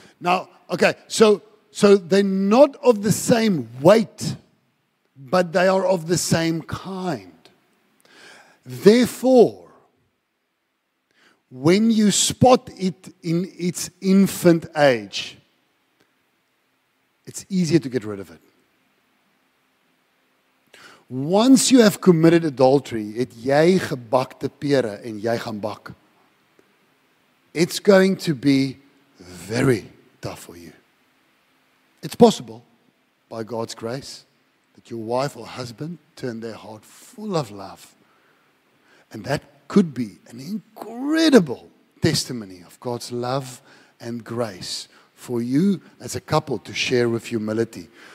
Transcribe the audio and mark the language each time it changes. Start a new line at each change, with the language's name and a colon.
English: Now, okay, so they're not of the same weight, but they are of the same kind. Therefore, when you spot it in its infant age, it's easier to get rid of it. Once you have committed adultery,
Afrikaans: het jy gebakte pere en jy gaan bak.
English: It's going to be very tough for you. It's possible, by God's grace, that your wife or husband turn their heart full of love. And that could be an incredible testimony of God's love and grace for you as a couple to share with humility.